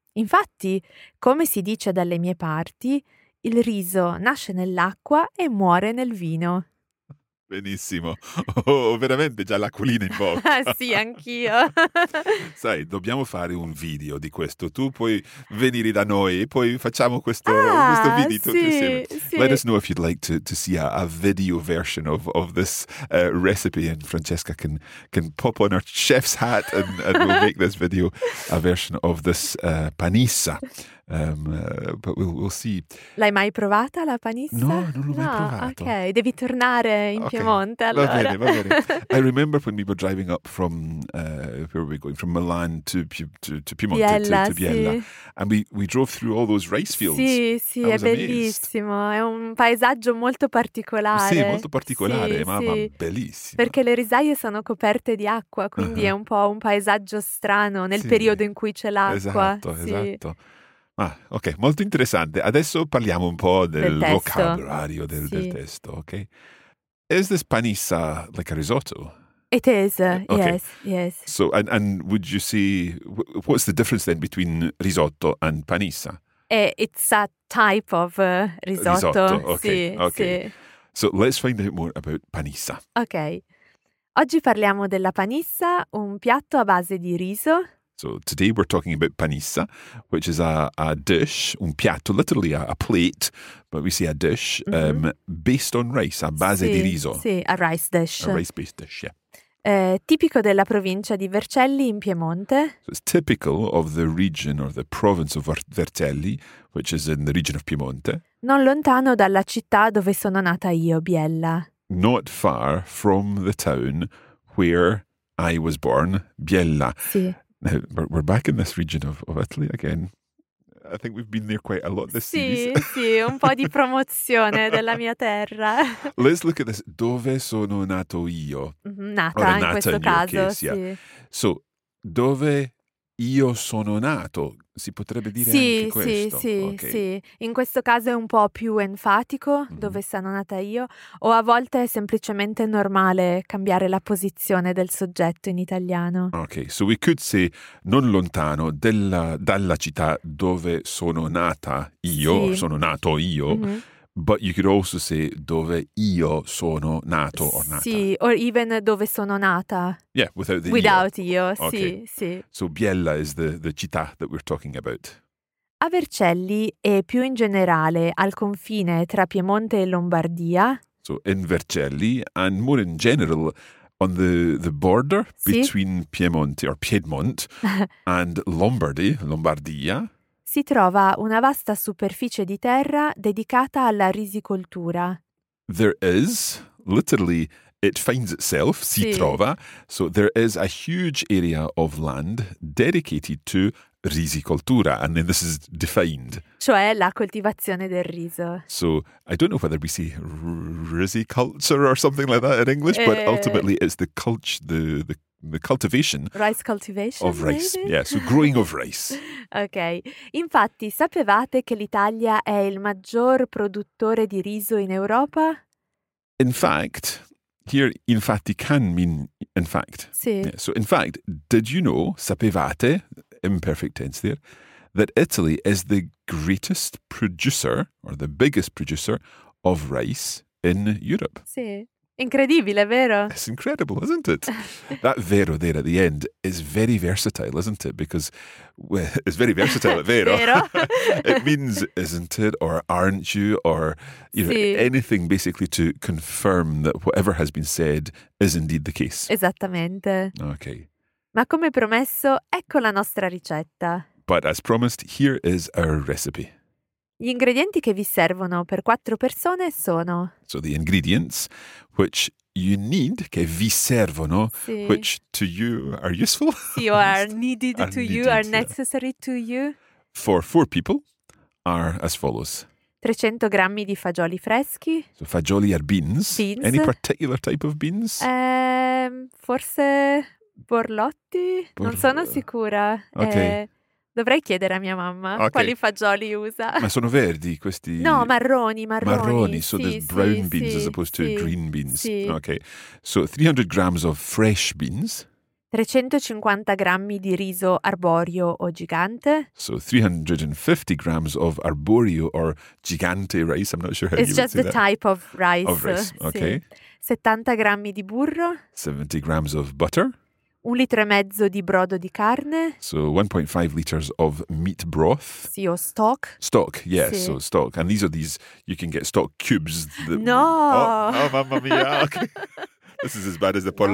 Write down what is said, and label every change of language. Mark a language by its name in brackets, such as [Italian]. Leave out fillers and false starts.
[Italian] Infatti, come si dice dalle mie parti, il riso nasce nell'acqua e muore nel vino. Benissimo. Ho veramente già l'acquolina in bocca. Sì, anch'io. Sai, dobbiamo fare un video di questo. Tu puoi venire da noi e poi facciamo questo, questo video, sì, tutti insieme. Sì. [English] Let us know if you'd like to see a video version of this recipe, and Francesca can pop on her chef's hat and we'll make this video a version of this panissa. But we'll see. [Italian] L'hai mai provata la panissa? No, non l'ho mai provato. Ok, devi tornare in Piemonte allora. Va bene, va bene. [English] I remember when we were driving up from where were we going? From Milan to Piemonte, Biella, to Biella, [Italian] sì. [English] And we drove through all those rice fields. [Italian] Sì, sì, è bellissimo. [English] Amazed. [Italian] È un paesaggio molto particolare. Sì, molto particolare, sì, ma bellissimo. Perché le risaie sono coperte di acqua, quindi è un po' un paesaggio strano nel periodo in cui c'è l'acqua. Esatto, esatto. Ah, ok, molto interessante. Adesso parliamo un po' del vocabolario del testo, ok? [English] Is this panis like a risotto? It is, okay. yes. So, and would you say, what's the difference then between risotto and panisa? It's a type of risotto. Okay. So let's find out more about panisa. Okay. [Italian] Oggi parliamo della panisa, un piatto a base di riso. [English] So today we're talking about panisa, which is a dish, [Italian] un piatto, [English] literally a plate, but we say a dish, mm-hmm. Based on rice, [Italian] a base di riso. [English] Sì, a rice dish. A rice-based dish, yeah. [Italian] Tipico della provincia di Vercelli in Piemonte. [English] So it's typical of the region or the province of Vercelli, which is in the region of Piemonte. [Italian] Non lontano dalla città dove sono nata io, Biella. [English] Not far from the town where I was born, Biella. [Italian] Sì. [English] Now, we're back in this region of Italy again. I think we've been there quite a lot this season. [Italian] Sì, un po' di promozione della mia terra. [English] Let's look at this. [Italian] Dove sono nato io? Nata in questo caso, [English] yeah. So, [Italian] dove io sono nato? Si potrebbe dire sì, anche questo? Sì. In questo caso è un po' più enfatico, dove sono nata io. O a volte è semplicemente normale cambiare la posizione del soggetto in italiano. [English] Ok, so we could say [Italian] non lontano dalla città dove sono nata io, sono nato io. Mm-hmm. [English] But you could also say [Italian] dove io sono nato o nata. Sì, [English] or even [Italian] dove sono nata. [English] Yeah, without the Without io. Io, okay. [Italian] Sì, sì. [English] So Biella is the città that we're talking about. [Italian] A Vercelli e più in generale al confine tra Piemonte e Lombardia. [English] So in Vercelli and more in general on the border between Piemonte or Piedmont and Lombardia. [Italian] Si trova una vasta superficie di terra dedicata alla risicoltura. [English] There is, literally, it finds itself, [Italian] si trova. [English] So there is a huge area of land dedicated to risicoltura. And then this is defined. [Italian] Cioè la coltivazione del riso. [English] So I don't know whether we say risiculture or something like that in English, but ultimately it's the cultivation. Rice cultivation. Of rice, yeah, so growing of rice. [Italian] Ok, infatti sapevate che l'Italia è il maggior produttore di riso in Europa? [English] In fact, here infatti can mean in fact. [Italian] Sì. [English] Yeah, so in fact, did you know, sapevate, imperfect tense there, that Italy is the greatest producer or the biggest producer of rice in Europe? [Italian] Sì. Incredibile, vero? [English] It's incredible, isn't it? That vero there at the end is very versatile, isn't it? Because it's very versatile, vero? [Italian] Vero? [English] It means, isn't it, or aren't you, or you know, anything basically to confirm that whatever has been said is indeed the case. [Italian] Esattamente. [English] Okay. [Italian] Ma come promesso, ecco la nostra ricetta. [English] But as promised, here is our recipe. [Italian] Gli ingredienti che vi servono per quattro persone sono... [English] So the ingredients which you need, [Italian] che vi servono, [English] which to you are useful. You are needed to you, are necessary to you. For four people are as follows. [Italian] 300 grammi di fagioli freschi. [English] So fagioli are beans. Beans. Any particular type of beans? [Italian] Forse borlotti? Non sono sicura. Ok. Dovrei chiedere a mia mamma quali fagioli usa. Ma sono verdi questi? No, marroni. Marroni, [English] so there's brown beans as opposed to green beans. [Italian] Sì. [English] Okay, so 300 grams of fresh beans. [Italian] 350 grammi di riso arborio o gigante. [English] So 350 grams of arborio or gigante rice, I'm not sure how it's you would say It's just the that. Type of rice. Of rice, okay. [Italian] Sì. 70 grammi di burro. [English] 70 grams of butter. [Italian] Un litro e mezzo di brodo di carne. [English] So 1.5 liters of meat broth. [Italian] Sì, o stock. [English] Stock, yes, [Italian] sì. [English] So stock. And these are these, you can get stock cubes. That, no! Oh, mamma mia, okay. This is as bad as the pollo